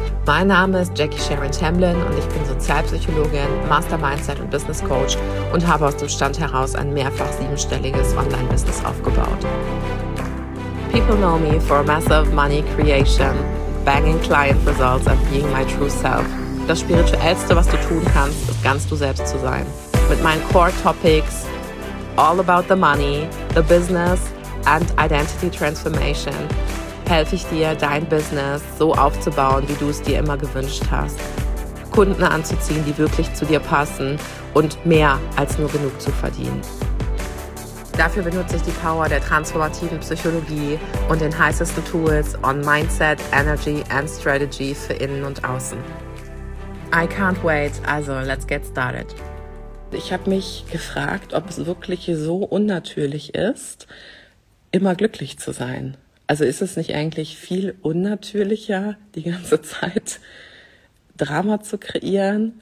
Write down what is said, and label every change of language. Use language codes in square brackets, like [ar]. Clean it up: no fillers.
[de] Mein Name ist Jackie Sharon Tamblyn und ich bin Sozialpsychologin, Master Mindset und Business Coach und habe aus dem Stand heraus ein mehrfach siebenstelliges Online-Business aufgebaut. [en] People know me for massive money creation, banging client results and being my true self. [de] Das Spirituellste, was du tun kannst, ist ganz du selbst zu sein. Mit meinen Core Topics, [en] all about the money, the business and identity transformation, [de] helfe ich dir, dein Business so aufzubauen, wie du es dir immer gewünscht hast. Kunden anzuziehen, die wirklich zu dir passen und mehr als nur genug zu verdienen. Dafür benutze ich die Power der transformativen Psychologie und den heißesten Tools [en] on Mindset, Energy and Strategy [de] für innen und außen. [en] I can't wait, also let's get started. [de] Ich habe mich gefragt, ob es wirklich so unnatürlich ist, immer glücklich zu sein. Also ist es nicht eigentlich viel unnatürlicher, die ganze Zeit Drama zu kreieren?